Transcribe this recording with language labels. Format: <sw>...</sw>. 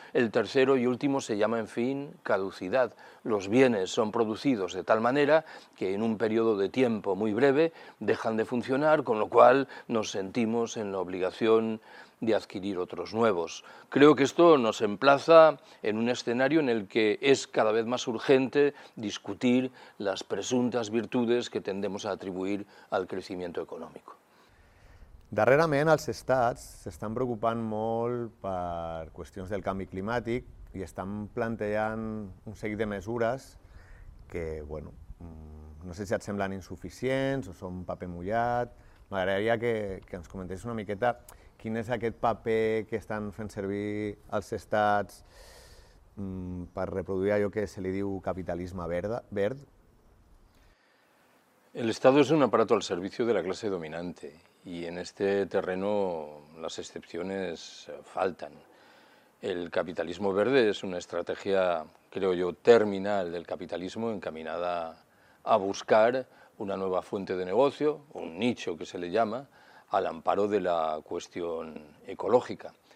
<es>El tercero y último se llama, en fin, caducidad. Los bienes son producidos de tal manera que en un periodo de tiempo muy breve dejan de funcionar, con lo cual nos sentimos en la obligación de adquirir otros nuevos. Creo que esto nos emplaza en un escenario en el que es cada vez más urgente discutir las presuntas virtudes que tendemos a atribuir al crecimiento económico.</es> <ca>Darrerament, els estats s'estan preocupant molt per qüestions del canvi climàtic i estan plantejant un seguit de mesures que, bueno, no sé si et semblen insuficients o són paper mullat. M'agradaria que ens comentessis una miqueta quin és aquest paper que estan fent servir els estats per reproduir allò que se li diu capitalisme verd.</ca> <es>El Estado es un aparato al servicio de la clase dominante y en este terreno las excepciones faltan. El capitalismo verde es una estrategia, creo yo, terminal del capitalismo encaminada a buscar una nueva fuente de negocio, un nicho que se le llama, al amparo de la cuestión ecológica.</es>